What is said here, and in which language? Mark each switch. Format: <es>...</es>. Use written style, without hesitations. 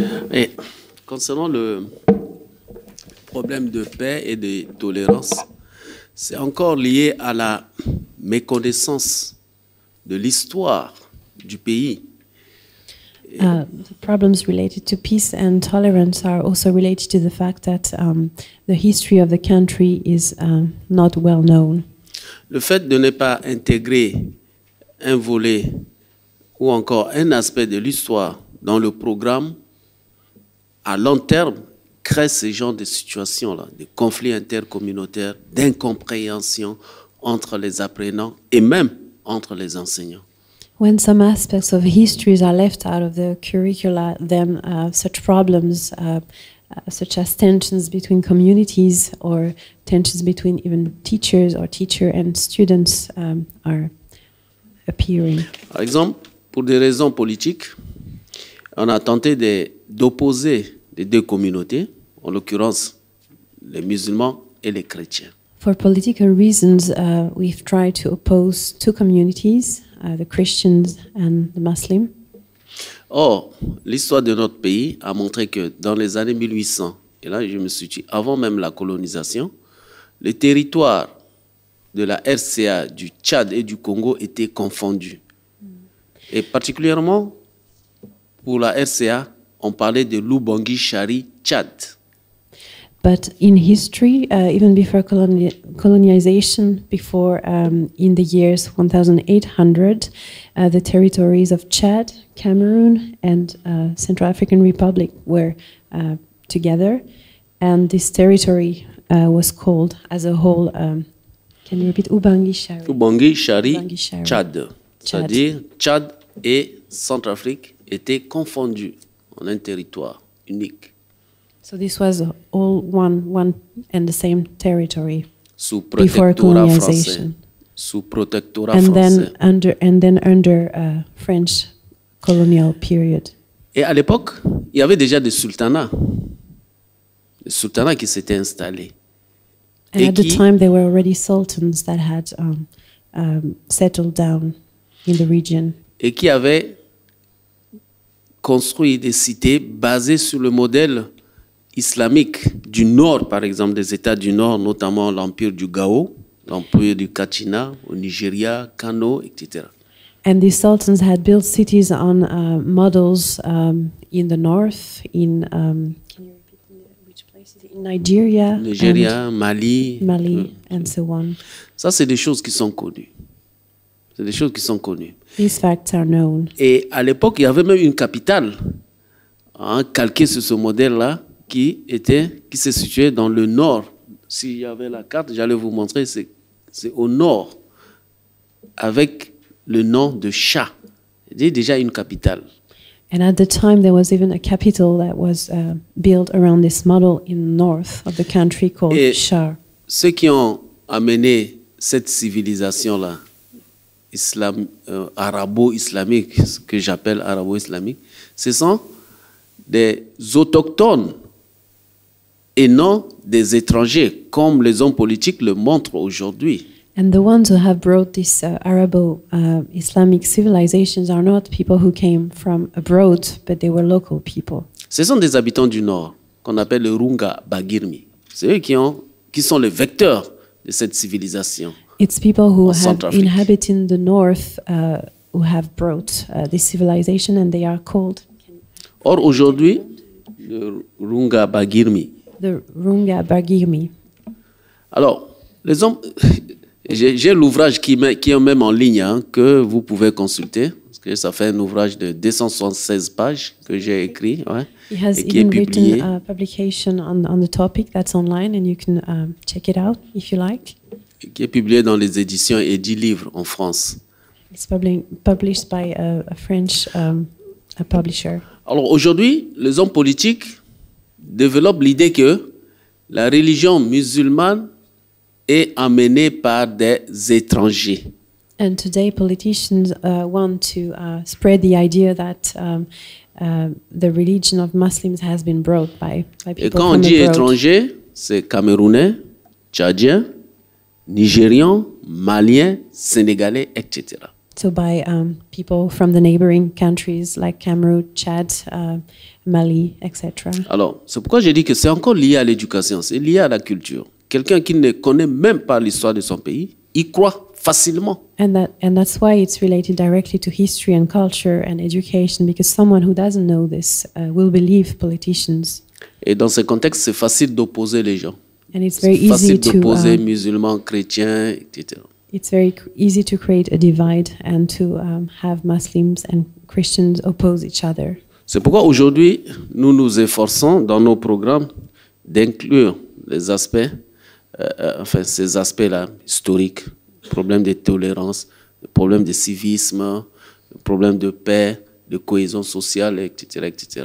<fr>Mais concernant le problème de paix et de tolérance, c'est encore lié à la méconnaissance de l'histoire du pays.</fr> <en>The problems related to peace and tolerance are also related to the fact that the history of the country is not well known.</en> <fr>Le fait de ne pas intégrer un volet ou encore un aspect de l'histoire dans le programme à long terme crée ce genre de situation-là, de conflits intercommunautaires, d'incompréhension entre les apprenants et même entre les enseignants.</fr> <en>When some aspects of histories are left out of the curricula, then such problems, such as tensions between communities or tensions between even teachers or teacher and students are appearing.</en> <fr>Par exemple, pour des raisons politiques, on a tenté d'opposer les deux communautés, en l'occurrence les musulmans et les chrétiens.</fr> <en>For political reasons, we've tried to oppose two communities, the Christians and the Muslims.</en> <fr>Or, l'histoire de notre pays a montré que dans les années 1800, et là je me situe avant même la colonisation, les territoires de la RCA, du Tchad et du Congo étaient confondus. Et particulièrement pour la RCA, on parlait de Lubangi Shari Tchad.</fr> <en>But in history, even before colonization, before in the years 1800, the territories of Chad, Cameroon, and Central African Republic were together, and this territory was called, as a whole, can you repeat, Ubangi Shari. Chad.</en> <fr>C'est-à-dire, Chad et Centrafrique étaient confondus en un territoire unique.</fr> <en>So this was all one and the same territory</en> <fr>sous</fr> <en>before colonization.</en> <fr>Sous protectorat français.</fr> <en>And then under French colonial period.</en> <fr>Et à l'époque, il y avait déjà des sultanats. Des sultanats qui s'étaient installés.</fr> <en>And at the time, there were already sultans that had settled down in the region.</en> <fr>Et qui avaient construit des cités basées sur le modèle islamique du nord, par exemple, des États du nord, notamment l'empire du Gao, l'empire du Kachina, au Nigeria, Kano, etc.</fr> <en>And the sultans had built cities on models in the north, in can you repeat which places? In Nigeria, Mali, and so on.</en> <fr>Ça, c'est des choses qui sont connues. C'est des choses qui sont connues.</fr> <en>These facts are known.</en> <fr>Et à l'époque, il y avait même une capitale calquée sur ce modèle-là, qui se situait dans le nord. S'il y avait la carte, j'allais vous montrer, c'est au nord, avec le nom de Cha. C'est déjà une capitale.</fr> <en>And at the time, there was even a capital that was built around this model in the north of the country called Shar.</en> <fr>Ceux qui ont amené cette civilisation-là, islam, arabo-islamique, ce que j'appelle arabo-islamique, ce sont des autochtones et non des étrangers, comme les hommes politiques le montrent aujourd'hui.</fr> <en>And the ones who have brought this Arabo-Islamic civilizations are not people who came from abroad, but they were local people.</en> <fr>Ce sont des habitants du nord, qu'on appelle le Runga Bagirmi. C'est eux qui sont les vecteurs de cette civilisation.</fr> <en>It's people who have inhabited the north who have brought this civilization, and they are called.</en> <fr>Or aujourd'hui, le Runga Bagirmi.</fr> <en>The Runga Bagirmi.</en> <fr>Alors, les hommes. J'ai l'ouvrage qui est même en ligne, hein, que vous pouvez consulter. Parce que ça fait un ouvrage de 276 pages que j'ai écrit, ouais, et qui est publié. Il a écrit une publication sur le topic qui est en ligne, et vous pouvez le checker out si vous voulez. Qui est publié dans les éditions et 10 livres en France. C'est publié par un</fr> <en>French publisher.</en> <fr>Alors aujourd'hui, les hommes politiques développent l'idée que la religion musulmane est amené par des étrangers.</fr> <en>And today politicians want to spread the idea that the religion of Muslims has been brought by people from abroad.</en> <fr>Quand on dit étranger, c'est Camerounais, Tchadien, Nigérian, Malien, Sénégalais, etc.</fr> <en>So by people from the neighboring countries like Cameroun, Chad, Mali, etc.</en> <fr>Alors, c'est pourquoi j'ai dit que c'est encore lié à l'éducation, c'est lié à la culture. Quelqu'un qui ne connaît même pas l'histoire de son pays, y croit facilement.</fr> <en>And that's why it's related directly to history and culture and education, because someone who doesn't know this will believe politicians.</en> <fr>Et dans ce contexte, c'est facile d'opposer les gens.</fr> <en>And it's very easy to</en> <fr>d'opposer musulmans, chrétiens, etc.</fr> <en>It's very easy to create a divide and to have Muslims and Christians oppose each other.</en> <fr>C'est pourquoi aujourd'hui, nous nous efforçons dans nos programmes d'inclure les aspects enfin, ces aspects-là, historiques, problèmes de tolérance, problèmes de civisme, problèmes de paix, de cohésion sociale, etc., etc.</fr>